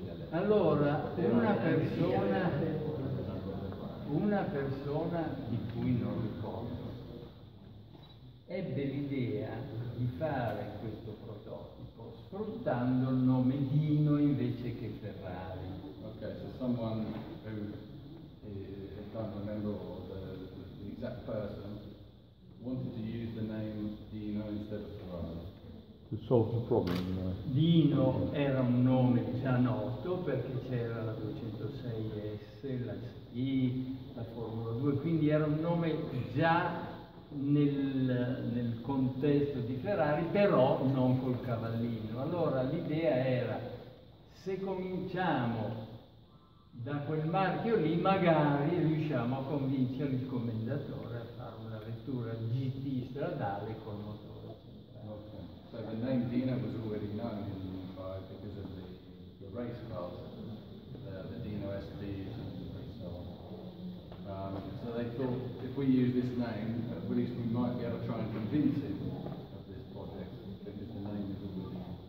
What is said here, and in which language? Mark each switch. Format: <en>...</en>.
<it>Allora, una persona di cui non ricordo, ebbe l'idea di fare questo prototipo sfruttando il nome Dino invece che Ferrari.</it> <en>Okay, so someone who can't remember the exact person wanted to use the name Dino instead of Ferrari. To solve the problem.</en> <it>Dino era un nome già noto perché c'era la 206S, la SP, la Formula 2, quindi era un nome già nel contesto di Ferrari, però non col cavallino. Allora l'idea era, se cominciamo da quel marchio lì, magari riusciamo a convincere il commendatore a fare una vettura GT stradale con motore.</it> <en>So the name Dino was already known because of the race cars, the Dino SDs and so on. So they thought if we use this name, at least we might be able to try and convince him of this project because the name is already</en>